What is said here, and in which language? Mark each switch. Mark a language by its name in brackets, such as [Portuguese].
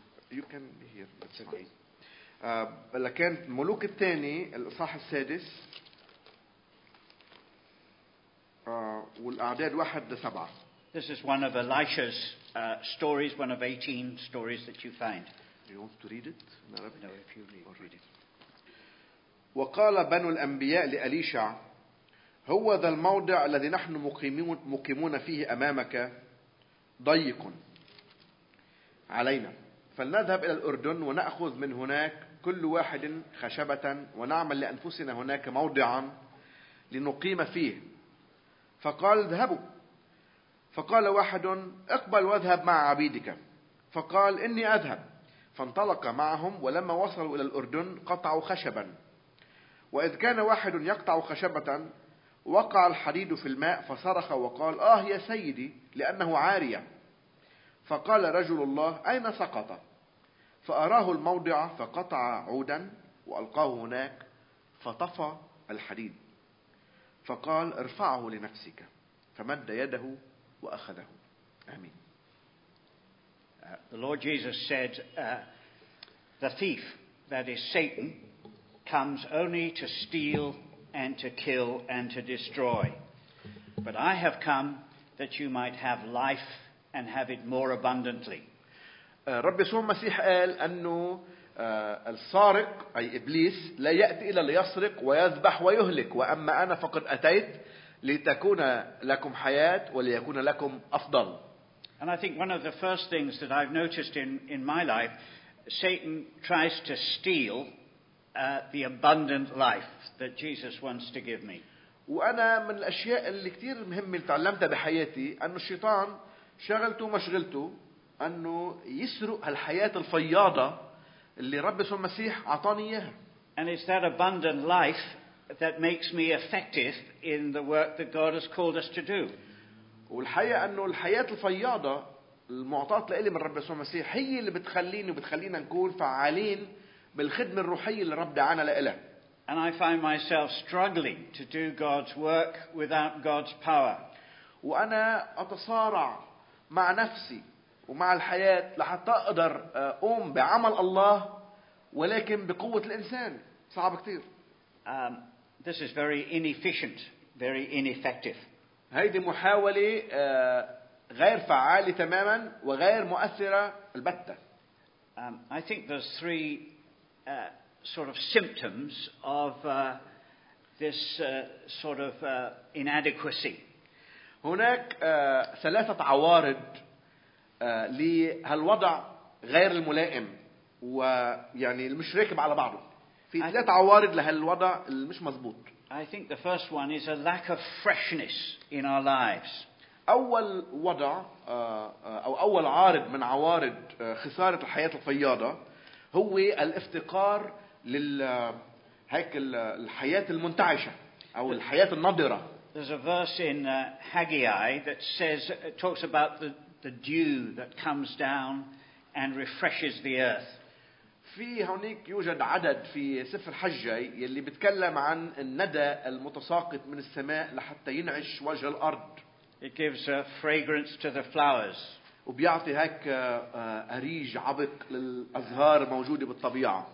[English] you can be here that's okay [Arabic] لكن ملوك الثاني الاصحاح السادس والاعداد 1 ل 7 [English] This is one of Elisha's stories, one of 18 stories that you find. Do you want to read it? No, if you read it. [Arabic] وقال بنو الأنبياء لأليشع هو ذا الموضع الذي نحن مقيمون فيه أمامك ضيق علينا فلنذهب إلى الأردن ونأخذ من هناك كل واحد خشبة ونعمل لأنفسنا هناك موضعا لنقيم فيه فقال اذهبوا فقال واحد اقبل واذهب مع عبيدك فقال إني أذهب فانطلق معهم ولما وصلوا إلى الأردن قطعوا خشبا وإذ كان واحد يقطع خشبة وقع الحديد في الماء فصرخ وقال آه يا سيدي لأنه عارية فقال رجل الله أين سقط فأراه الموضع فقطع عودا وألقاه هناك فطفى الحديد فقال ارفعه لنفسك فمد يده وأخذه. آمين. [English] The Lord Jesus said, "The thief, that is Satan, comes only to steal and to kill and to destroy. But I have come that you might have life and have it more abundantly." [Arabic] رب يسوع المسيح قال أنه السارق أي إبليس لا يأتي إلا ليسرق ويذبح ويهلك وأما أنا فقد أتيت. لتكون لكم حياة وليكون لكم أفضل. [English] And I think one of the first things that I've noticed in my life, Satan tries to steal the abundant life that Jesus wants to give me. [Arabic] وأنا من الأشياء اللي كتير مهمة تعلمتها بحياتي أن الشيطان شغلته مشغلته أنه يسرق هالحياة الفياضة اللي رب يسوع المسيح عطاني إياها. [English] And it's that abundant life. That makes me effective in the work that God has called us to do. [Arabic] والحقيقة إنه الحياة الفياضة المعطاة لإلي من رب يسوع المسيح هي اللي بتخليني وبتخلينا نكون فعالين بالخدمة الروحية اللي رب دعانا لإله. [English] And I find myself struggling to do God's work without God's power. [Arabic] وأنا أتصارع مع نفسي ومع الحياة لحتى أقدر أقوم بعمل الله ولكن بقوة الإنسان. صعب كتير. [English] This is very inefficient, very ineffective. [Arabic] هذه محاولة غير فعالة تماما وغير مؤثرة البتة. [English] I think there's three sort of symptoms of this sort of inadequacy. [Arabic] هناك ثلاثة عوارض لهالوضع غير الملائم ويعني مش راكب على بعضه. في ثلاث عوارض لهالوضع المش مزبوط. [English] I think the first one is a lack of freshness in our lives. [Arabic] أول وضع أو أول عارض من عوارض خسارة الحياة الفياضة هو الافتقار لهيك الحياة المنتعشة أو الحياة النضرة. [English] There's a verse in Haggai that says talks about the dew that comes down and refreshes the earth. [Arabic] في هونيك يوجد عدد في سفر حجي يلي بتكلم عن الندى المتساقط من السماء لحتى ينعش وجه الأرض. [English] It gives a fragrance to the flowers. [Arabic] وبيعطي هيك أريج عبق للأزهار موجودة بالطبيعة.